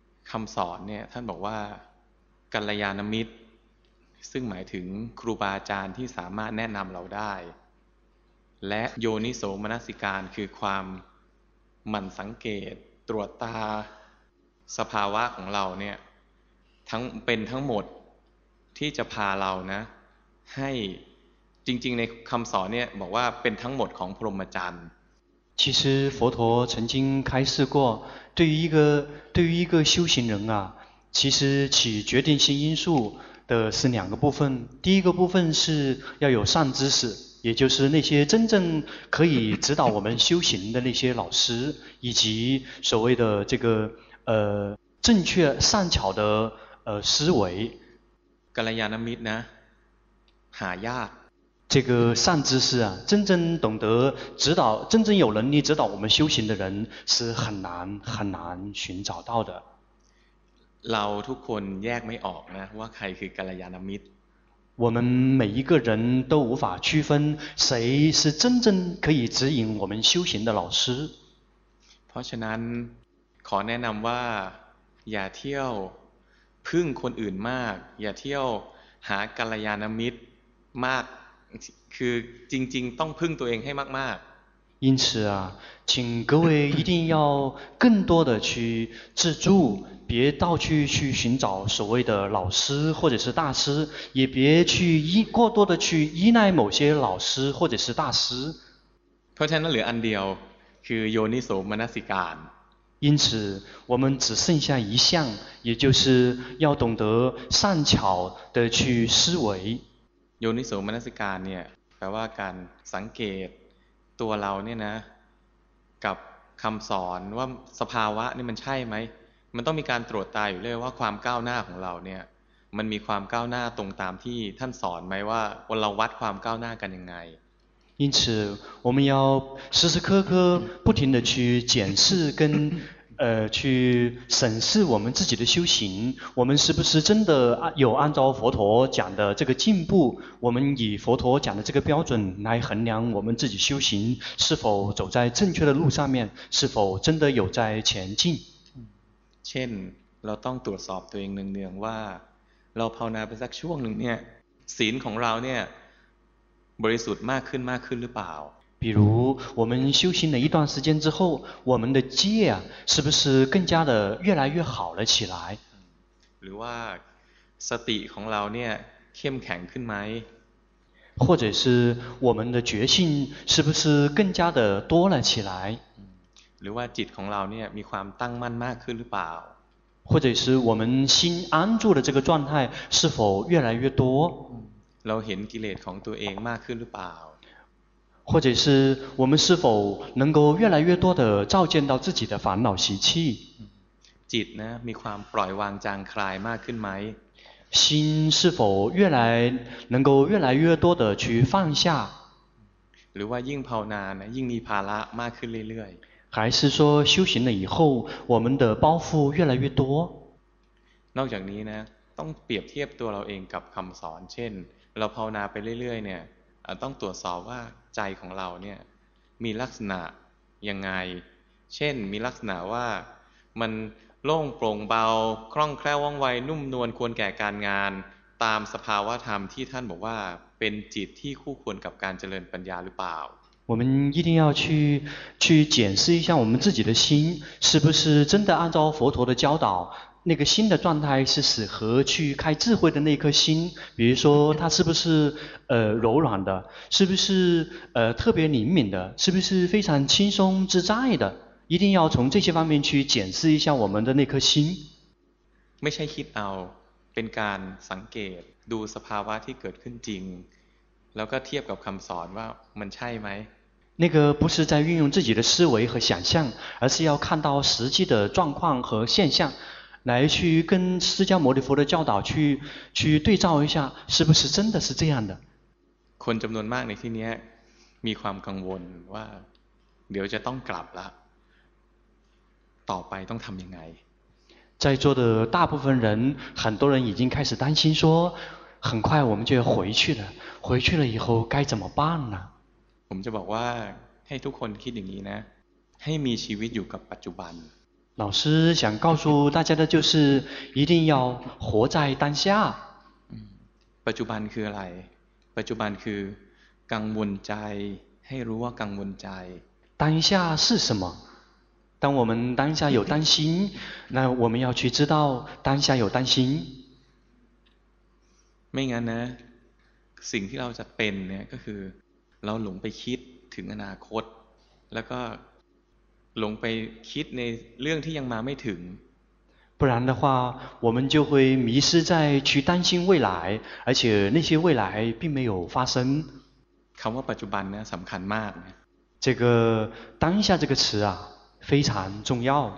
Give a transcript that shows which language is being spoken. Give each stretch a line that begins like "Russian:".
Thai: คำสอนเนี่ยท่านบอกว่ากัลยาณมิตรซึ่งหมายถึงครูบาอาจารย์ที่สามารถแนะนำเราได้และโยนิโสมนสิการคือความหมั่นสังเกตตรวจตาสภาวะของเราเนี่ยทั้งเป็นทั้งหมดที่จะพาเรานะให้จริงๆในคำสอนเนี่ยบอกว่าเป็นทั้งหมดของพรหมจรรย์
Chinese: 其实佛陀曾经开示过对于一个修行人啊其实起决定性因素的是两个部分第一个部分是要有善知识也就是那些真正可以指导我们修行的那些老师以及所谓的这个正确善巧的思维
Thai: กัลยาณมิตรนะหายาก
Chinese: 这个善知识啊真正懂得指导真正有能力指导我们修行的人是很难很难寻找到的
Thai: เราทุกคนแยกไม่ออกนะว่าใครคือกัลยาณมิตร
Chinese: 我们每一个人都无法区分谁是真正可以指引我们修行的老师
Thai: เพราะฉะนั้นขอแนะนำว่าอย่าเที่ยวพึ่งคนอื่นมากอย่าเที่ยวหากัลยาณมิตรมากคือจริงๆต้องพึ่งตัวเองให้มาก
Chinese: ๆ因此啊请各位一定要更多的去自助别到处去寻找所谓的老师或者是大师也别去过多的去依赖某些老师或者是大师
Thai: เพราะฉะนั้นเหลืออันเดียวคือโยนิโสมนสิการ
Chinese: 因此我们只剩下一项也就是要懂得善巧的去思维
Thai: โยนิโสมนสิการเนี่ยแปลว่าการสังเกตตัวเราเนี่ยนะกับคำสอนว่าสภาวะนี่มันใช่ไหมมันต้องมีการตรวจตาอยู่เลยว่าความก้าวหน้าของเราเนี่ยมันมีความก้าวหน้าตรงตามที่ท่านสอนไหมว่าเราวัดความก้าวหน้ากันยังไง
Chinese: 因此我们要时时刻刻不停地去检视跟去审视我们自己的修行我们是不是真的有按照佛陀讲的这个进步我们以佛陀讲的这个标准来衡量我们自己修行是否走在正确的路上面是否真的有在前进、嗯、
Thai: เช่นเราต้องตรวจสอบตัวเองเนืองๆว่าเราภาวนาไปสักช่วงหนึ่งเนี่ยศีลของเราเนี่ยบริสุทธิ์มากขึ้นมากขึ้นหรือเปล่า
Chinese: 比如我们修行了一段时间之后我们的戒是不是更加的越来越好了起来
Thai: หรือว่าสติของเราเนี่ยเข้มแข็งขึ้นไหม
Chinese: 或者是我们的觉性是不是更加的多了起来
Thai: หรือว่าจิตของเราเนี่ยมีความตั้งมั่นมากขึ้นหรือเปล่า
Chinese: 或者是我们心安住的这个状态是否越来越多
Thai: เราเห็นกิเลสของตัวเองมากขึ้นหรือเปล่า
Chinese: 或者是我们是否能够越来越多的照见到自己的烦恼习气
Thai: จิตนะมีความปล่อยวางจางคลายมากขึ้นไหม
Chinese: 心是否越来能够越来越多的去放下
Thai: หรือว่ายิ่งภาวนานะยิ่งมีภาระมากขึ้นเรื่อย
Chinese: ๆ还是说修行了以后我们的包袱越来越多
Thai: นอกจากนี้นะต้องเปรียบเทียบตัวเราเองกับคำสอนเช่นเราภาวนาไปเรื่อยๆเนี่ยต้องตรวจสอบว่า จของเราเนี่ยมีลักษณะยังไงเช่นมีลักษณะว่ามันโล่งโปร่งเบาคล่องแคล่วว่องไวนุ่มนวลควรแก่การงานตามสภาวะธรรมที่ท่านบอกว่าเป็นจิตที่คู่ควรกับการเจริญปัญญาหรือเปล่า
Chinese: 我们一定要去检视一下我们自己的心是不是真的按照佛陀的教导那个心的状态是适合去开智慧的那颗心比如说它是不是柔软的是不是特别灵敏的是不是非常轻松自在的一定要从这些方面去检视一下我们的那颗心
Thai: ไม่ใช่คิดเอาเป็นการสังเกตดูสภาวะที่เกิดขึ้นจริงแล้วก็เทียบกับคำสอนว่ามันใช่ไหม
Chinese: 那个不是在运用自己的思维和想象而是要看到实际的状况和现象来去跟释迦牟尼佛的教导去对照一下是不是真的是这样的
Thai: คนจำนวนมากในที่นี้มีความกังวลว่าเดี๋ยวจะต้องกลับละต่อไปต้องทำยังไง
Chinese: 在座的大部分人很多人已经开始担心说很快我们就要回去了回去了以后该怎么办呢
Thai: ผมจะบอกว่าให้ทุกคนคิดอย่างนี้นะให้มีชีวิตอยู่กับปัจจุบัน
Chinese: 老师想告诉大家的就是一定要活在当下
Thai: ปัจจุบันคืออะไรปัจจุบันคือกังวลใจให้รู้ว่ากังวลใจ
Chinese: 当下是什么当我们当下有担心那我们要去知道当下有担心
Thai: ไม่งั้นนะสิ่งที่เราจะเป็นเนี่ยก็คือเราหลงไปคิดถึงอนาคตแล้วก็หลงไปคิดในเรื่องที่ยังมาไม่ถึง
Chinese: 不然的话我们就会迷失在去担心未来而且那些未来并没有发生
Thai: คำว่าปัจจุบันนะสำคัญมาก
Chinese: 这个当下这个词啊非常重要